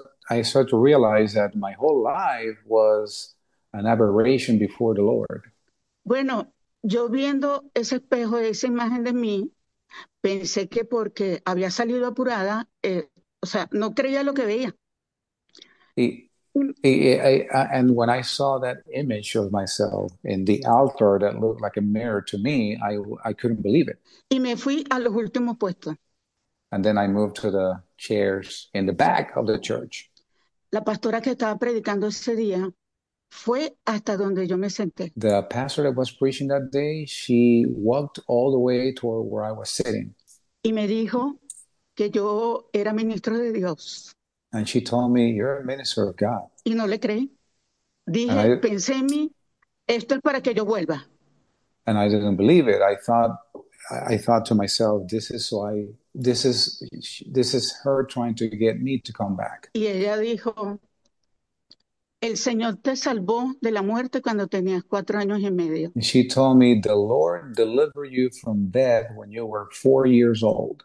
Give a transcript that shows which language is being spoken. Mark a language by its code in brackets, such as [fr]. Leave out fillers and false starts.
[en] I started to realize that my whole life was an aberration before the Lord. [es] Bueno, yo viendo ese espejo, esa imagen de mí, pensé que porque había salido apurada, o sea, no creía lo que veía. [en] And when I saw that image of myself in the altar that looked like a mirror to me, I couldn't believe it. [es] Y me fui a los últimos puestos. [en] And then I moved to the chairs in the back of the church. [es] La pastora que estaba predicando ese día fue hasta donde yo me senté. [en] The pastor that was preaching that day, she walked all the way toward where I was sitting. [es] Y me dijo que yo era ministro de Dios. [en] And she told me, "You're a minister of God." [es] Y no le creí. [en] And [es] Dije, pensé en mí, esto es para que yo vuelva. [en] I didn't believe it. I thought to myself, "This is her trying to get me to come back." [es] Y ella dijo, el Señor te salvó de la muerte cuando tenías 4 años y medio. [en] And she told me, "The Lord delivered you from death when you were 4 years old."